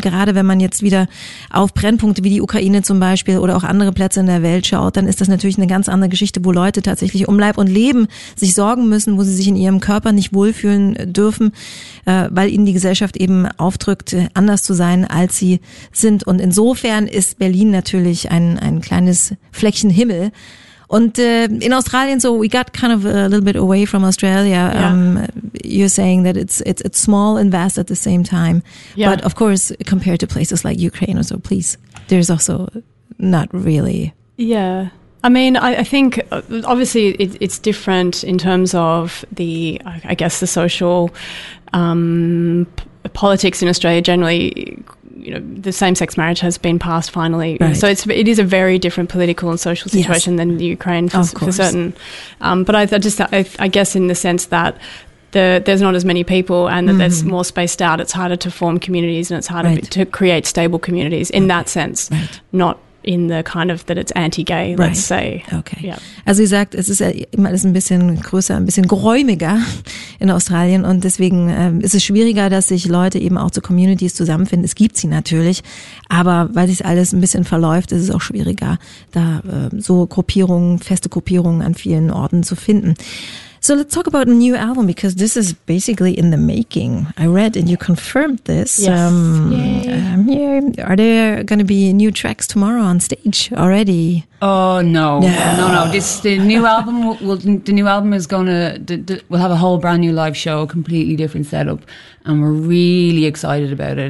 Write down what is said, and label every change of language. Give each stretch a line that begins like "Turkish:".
German: Und gerade wenn man jetzt wieder auf Brennpunkte wie die Ukraine zum Beispiel oder auch andere Plätze in der Welt schaut, dann ist das natürlich eine ganz andere Geschichte, wo Leute tatsächlich um Leib und Leben sich sorgen müssen, wo sie sich in ihrem Körper nicht wohlfühlen dürfen, weil ihnen die Gesellschaft eben aufdrückt, anders zu sein, als sie sind. Und insofern ist Berlin natürlich ein kleines Fleckchen Himmel.
English: And in Australia, so we got kind of a little bit away from Australia. Yeah. You're saying that it's small and vast at the same time. Yeah. But of course, compared to places like Ukraine or so, please, there's also not really. Yeah. I mean, I think obviously it's different in terms of the, I guess, the social politics in Australia generally. You know, the same-sex marriage has been passed finally. Right. So it is a very different political and social situation than the Ukraine for certain. But I guess in the sense that there's not as many people and that there's more spaced out, it's harder to form communities and it's harder to create stable communities in that sense, not in the kind of that it's anti-gay, let's say. Okay. Yeah.
German: Also wie gesagt, es ist immer ein bisschen größer, ein bisschen geräumiger in Australien und deswegen ist es schwieriger, dass sich Leute eben auch zu Communities zusammenfinden. Es gibt sie natürlich, aber weil sich alles ein bisschen verläuft, ist es auch schwieriger, da so Gruppierungen, feste Gruppierungen an vielen Orten zu finden.
English: So let's talk about a new album, because this is basically in the making. I read and you confirmed this. Yes. Yeah. Are there going to be new tracks tomorrow on stage already? No. This the new album will have a whole brand new live show, a completely different setup, and we're really excited about it.